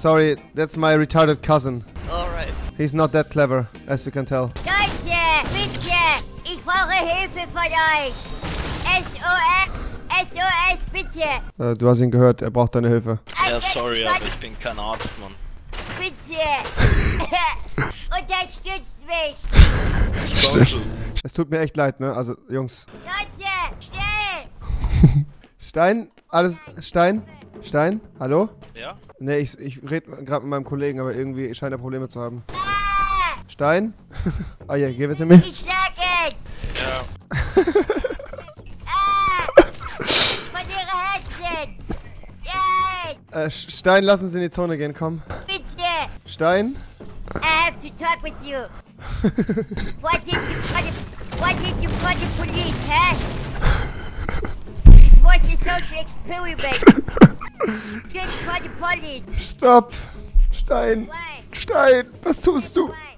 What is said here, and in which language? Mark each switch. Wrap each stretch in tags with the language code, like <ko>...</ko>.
<en>Sorry, that's my retarded cousin. Alright. He's not that clever, as you can tell.</en> <de>Leute, bitte! Ich brauche Hilfe von euch! SOS! SOS, bitte! Du hast ihn gehört, er braucht deine Hilfe. Ja, sorry, aber ich bin kein Arzt, Mann. Bitte! Unterstützt mich! Es tut mir echt leid, ne? Also, Jungs. Leute, schnell! Stein? Alles? Stein? Stein? Hallo? Ja? Ne, ich rede gerade mit meinem Kollegen, aber irgendwie scheint er Probleme zu haben. Ah!</de> <en>Stein? Oh yeah, give it to me.</en> <de>Ich schlag ihn! Ja. Von ihrer Herzen! Stein, lass uns in die Zone gehen, komm. Bitte! Stein?</de> <en>I have to talk with you. Why did you call the police, huh? This was a social experiment. You didn't call the police.</en> <de>Stopp! Stein!</de> <en>Why?</en> <de>Stein, was tust du?</de>